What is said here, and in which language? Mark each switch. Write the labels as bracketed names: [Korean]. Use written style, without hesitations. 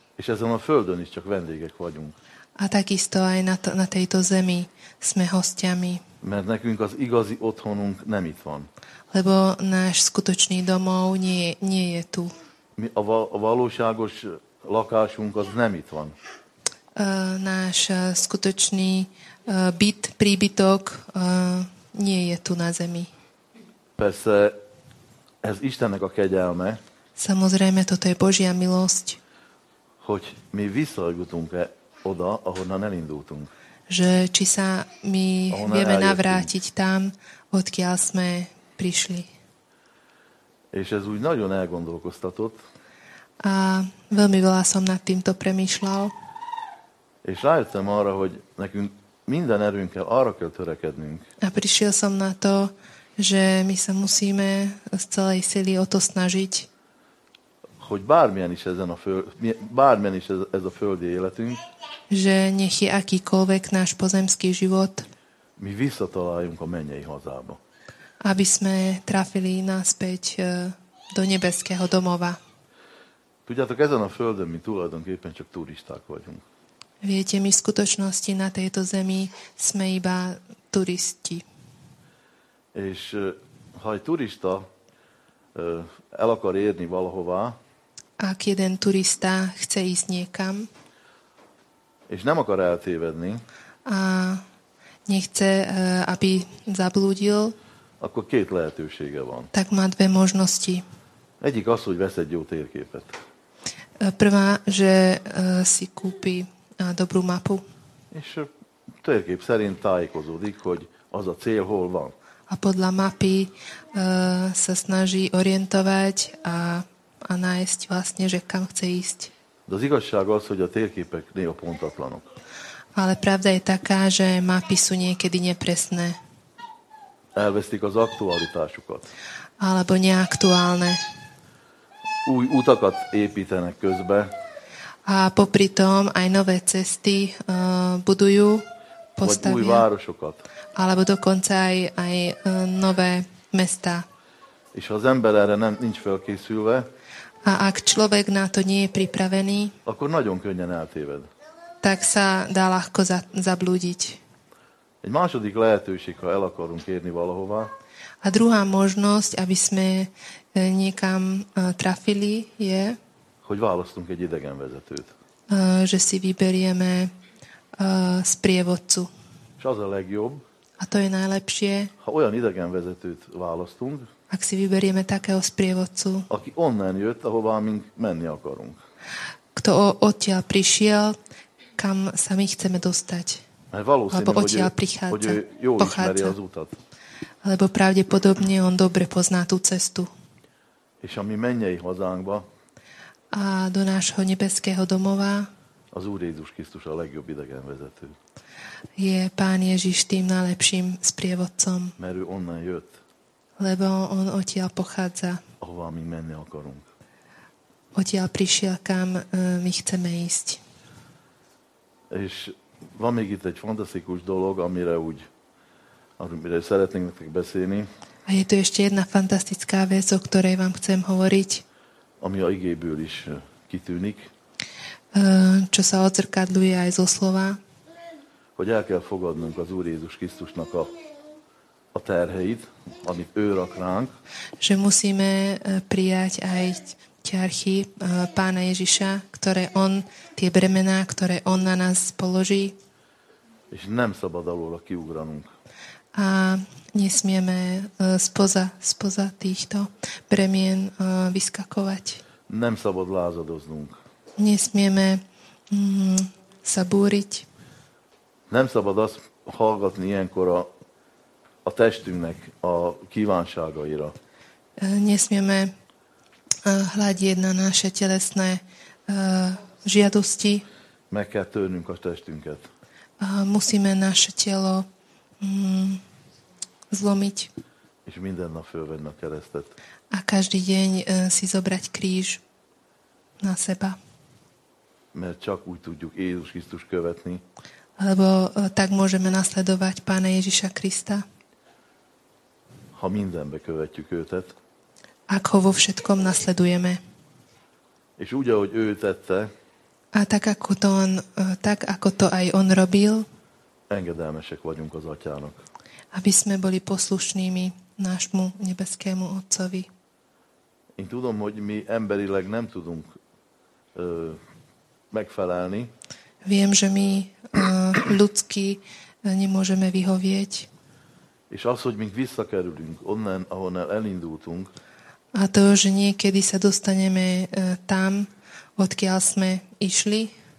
[Hungarian] És ezen a földön is csak vendégek vagyunk. [Slovak] A takisto aj na tejto zemi sme hostiami. [Hungarian] Mert nekünk az igazi otthonunk nem itt van. [Slovak] Lebo náš skutočný domov nie je tu. [Hungarian] Mi a valóságos lakásunk az nem itt van. [Slovak] Náš skutočný byt, príbytok nie je tu na zemi. [Hungarian] Persze, ez Istennek a kegyelme. [Slovak] Samozrejme, toto je Božia milosť. [Hungarian] Hogy mi visszajutunk-e oda, ahonnan elindultunk. [Slovak] Že či sa my vieme [Hungarian] eljöttünk. [Slovak] Navrátiť tam, odkiaľ sme prišli. [Hungarian] És ez úgy nagyon elgondolkoztatott. [Slovak] A veľmi veľa som nad týmto premýšľal. [Hungarian] És rájöttem arra, hogy nekünk minden erőnkkel arra kell törekednünk. [Slovak] A prišiel som na to, že my sa musíme z celej sily o to snažiť. [Hungarian] Hogy bármilyen is ez a földi életünk. [Slovak] Že nech je akýkoľvek náš pozemský život. [Hungarian] Mi visszataláljunk a mennyei hazába. [Slovak] Aby sme trafili náspäť do nebeského domova. [Hungarian] Tudjátok, ezen a földön mi tulajdonképpen csak turisták vagyunk. [Slovak] Viete, my v skutočnosti na tejto zemi sme iba turisti. [Hungarian] És ha egy turista el akar érni valahová, [Slovak] ak jeden turista chce ísť niekam, [Hungarian] és nem akar eltévedni, [Slovak] a nechce, aby zablúdil, [Hungarian] akkor két lehetősége van. [Slovak] Tak má dve možnosti. [Hungarian] Egyik az, hogy vesz egy jó térképet. [Slovak] Prvá, že si kúpi dobrú mapu. [Hungarian] És térkép szerint tájékozódik, hogy az a cél hol van. [Slovak] A podľa mapy sa snaží orientovať a nájsť vlastne, že kam chce ísť. [Hungarian] De az igazság az, hogy a térképek néha pontatlanok. [Slovak] Ale pravda je taká, že mapy sú niekedy nepresné. [Hungarian] Elvesztik az aktualitásukat. [Slovak] Alebo neaktuálne. [Hungarian] Új utakat építenek közbe. [Slovak] A popri tom aj nové cesty budujú, postavia. [Hungarian] Vagy új városokat. [Slovak] Alebo dokonca aj nové mesta. [Hungarian] És az ember erre nincs felkészülve. [Slovak] A ak človek na to nie je pripravený, [Hungarian] akkor nagyon könnyen eltéved. [Slovak] Tak sa dá ľahko zablúdiť. [Hungarian] Egy második lehetőség, ha el akarunk érni valahová. [Slovak] A druhá možnosť, aby sme niekam trafili, je, [Hungarian] hogy választunk egy idegen vezetőt. [Slovak] Že si vyberieme sprievodcu. [Hungarian] És az a legjobb. [Slovak] A to je najlepšie. [Hungarian] Ha olyan idegen vezetőt választunk, [Slovak] ak si vyberieme takého sprievodcu, [Hungarian] aki onnan jött, ahová mink menni akarunk. [Slovak] Kto odtiaľ prišiel, kam sa my chceme dostať. Alebo odtiaľ prichádza, pochádza. [Hungarian] Az utat. [Slovak] Lebo pravdepodobne on dobre pozná tú cestu. [Hungarian] És a mi mennyei hazánkba, [Slovak] a do nášho nebeského domova, [Hungarian] az Úr Jézus Krisztus a legjobb idegenvezető. [Slovak] Je Pán Ježiš tým najlepším sprievodcom. [Hungarian] Mert ő onnan jött. [Slovak] Lebo on odtiaľ pochádza. [Hungarian] Ahová my menni akarunk. [Slovak] Odtiaľ prišiel, kam my chceme ísť. [Hungarian] És van még itt egy fantasztikus dolog, amire szeretnénk nektek beszélni. [Slovak] A je tu ešte jedna fantastická vec, o ktorej vám chcem hovoriť. [Hungarian] Ami a igéből is kitűnik. [Slovak] Čo sa odzrkadluje aj zo slova. [Hungarian] Hogy el kell fogadnunk az Úr Jézus Krisztusnak a terheit, amit ő rak ránk. [Slovak] Že musíme prijať aj ťarchy Pána Ježiša, ktoré on, tie bremená, ktoré on na nás položí. [Hungarian] És nem szabad alóla kiugranunk. [Slovak] A nesmieme spoza týchto bremien vyskakovať. [Hungarian] Nem szabad lázadoznunk. [Slovak] Nesmieme sa búriť. [Hungarian] Nem szabad azt hallgatni ilyenkor a testünknek a kívánságaira. [Slovak] Nesmieme hľadieť na naše telesné žiadosti. [Hungarian] Meg kell törnünk a testünket. [Slovak] Musíme naše telo zlomiť. [Hungarian] És minden nap fölvenni a keresztet. [Slovak] A každý deň si zobrať kríž na seba. [Hungarian] Mert csak úgy tudjuk Jézus Krisztus követni. [Slovak] Lebo tak môžeme nasledovať Pána Ježiša Krista. [Hungarian] Ha mindenbe követjük őtet. [Slovak] Ak ho vo všetkom nasledujeme. [Hungarian] És úgy, ahogy ő tette. [Slovak] A tak, ako to aj on robil. [Hungarian] Engedelmesek vagyunk az Atyának. [Slovak] Aby sme boli poslušnými nášmu nebeskému Otcovi. [Hungarian] Én tudom, hogy mi emberileg nem tudunk megfelelni. [Slovak] Viem, že my ľudsky nemôžeme vyhovieť. [Hungarian] És az, hogy mi visszakerülünk onnan, ahonnan elindultunk. [Slovak] A to, že niekedy sa dostaneme tam, odkiaľ sme išli.